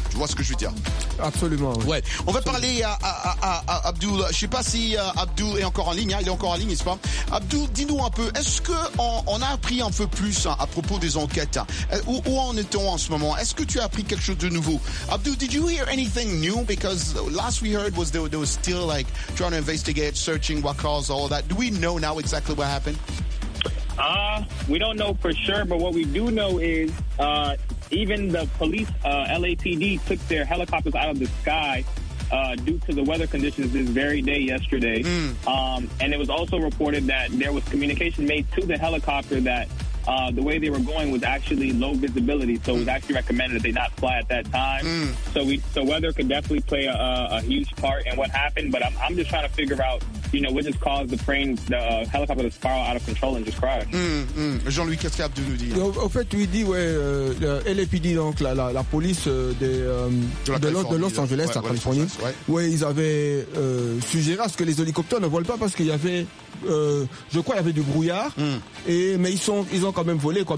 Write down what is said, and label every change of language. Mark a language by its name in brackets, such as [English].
[French] Tu vois ce que je veux dire? Absolument. Oui. Ouais. On va parler à Abdou. Je ne sais pas si Abdou est encore en ligne. Hein. Il est encore en ligne, n'est-ce pas? Abdou, dis-nous un peu, est-ce qu'on a appris un peu plus à propos des enquêtes? Où en est-on en ce moment? Est-ce que tu as appris quelque chose de nouveau? [English] Abdou, did you hear anything new? Because last we heard was they were still like trying to investigate, searching what caused all that. Do we know now exactly what happened? We don't know for sure, but what we do know is even the police, LAPD, took their helicopters out of the sky due to the weather conditions this very day yesterday. Mm. And it was also reported that there was communication made to the helicopter that the way they were going was actually low visibility, so it was actually recommended that they not fly at that time. Mm. So weather could definitely play a huge part in what happened, but I'm just trying to figure out, you know, what just caused the plane, the helicopter to spiral out of control and just crash. [French] Jean-Louis, qu'est-ce qu'il y a de nous dire? Au fait, tu dis, ouais, LAPD, donc la police de Los Angeles, ouais, à Californie, ouais, ils avaient suggéré à ce que les hélicoptères ne volent pas parce qu'il y avait... je crois qu'il y avait du brouillard, mais ils ont quand même volé, quoi.